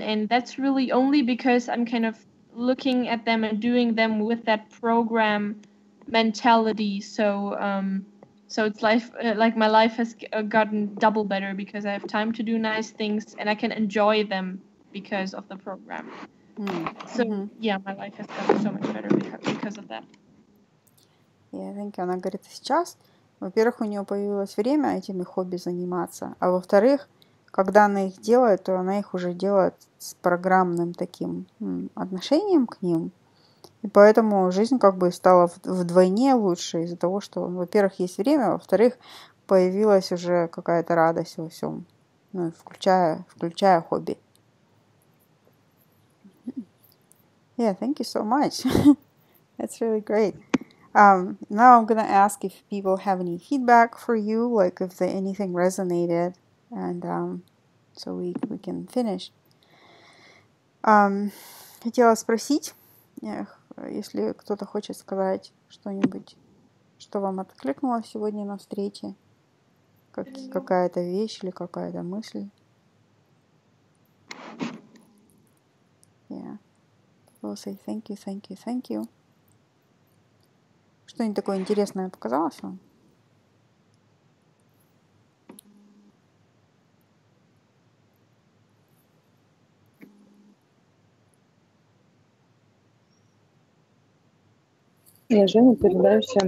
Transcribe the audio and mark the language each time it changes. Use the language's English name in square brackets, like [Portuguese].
[English] And that's really only because I'm kind of looking at them and doing them with that program mentality, so it's like my life has gotten double better, because I have time to do nice things and I can enjoy them because of the program. Mm. So mm-hmm. Yeah, my life has gotten so much better because of that. Yeah, I think [Russian] она говорит, сейчас, во-первых, у нее появилось время этими хобби заниматься, а во-вторых, когда она их делает, то она их уже делает с программным таким отношением к ним. И поэтому жизнь как бы стала вдвойне лучше из-за того, что, во-первых, есть время, а во-вторых, появилась уже какая-то радость во всем, ну, включая хобби. [English] Yeah, thank you so much. That's really great. Now I'm gonna ask if people have any feedback for you, like if anything resonated. And so we can finish. [Russian] Хотела спросить, если кто-то хочет сказать что-нибудь, что вам откликнулось сегодня на встрече, какая-то вещь или какая-то мысль. [English] Yeah. We'll say thank you, thank you, thank you. [Russian] Что-нибудь такое интересное показалось вам? Я Женя, передаю всем.